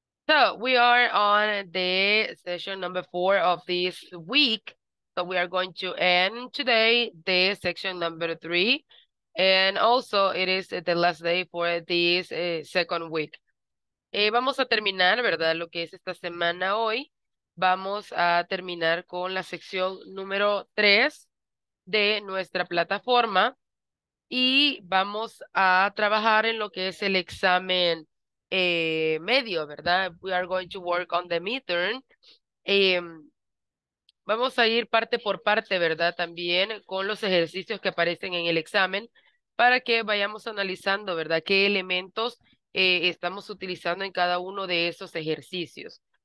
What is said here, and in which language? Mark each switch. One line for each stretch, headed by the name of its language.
English: So we are on the session number four of this week. So we are going to end today the section number three. And also, it is the last day for this second week.
Spanish: Vamos a terminar, ¿verdad? Lo que es esta semana hoy. Vamos a terminar con la sección número 3 de nuestra plataforma. Y vamos a trabajar en lo que es el examen medio, ¿verdad?
English: We are going to work on the midterm.
Spanish: Vamos a ir parte por parte, ¿verdad? También con los ejercicios que aparecen en el examen para que vayamos analizando, ¿verdad? ¿Qué elementos estamos utilizando en cada uno de esos ejercicios?